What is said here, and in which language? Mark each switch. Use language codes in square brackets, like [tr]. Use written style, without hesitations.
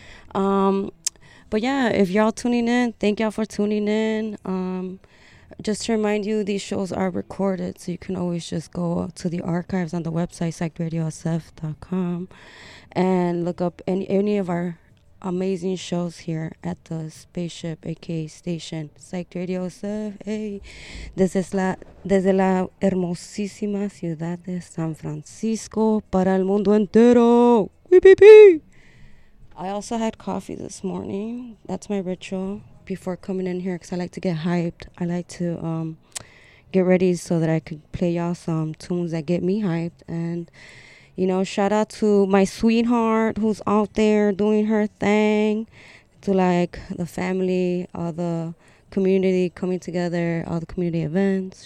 [en] But yeah, if y'all tuning in, thank y'all for tuning in. Just to remind you, these shows are recorded, so you can always just go to the archives on the website, psychedradiosf.com, and look up any of our amazing shows here at the spaceship, aka station, Psyched Radio SF. [es] Hey, desde la hermosísima ciudad de San Francisco para el mundo entero. [en] Wee pee pee. I also had coffee this morning. That's my ritual before coming in here, because I like to get hyped. I like to get ready so that I could play y'all some tunes that get me hyped. And you know, shout out to my sweetheart who's out there doing her thing, to like the family, all the community coming together, all the community events.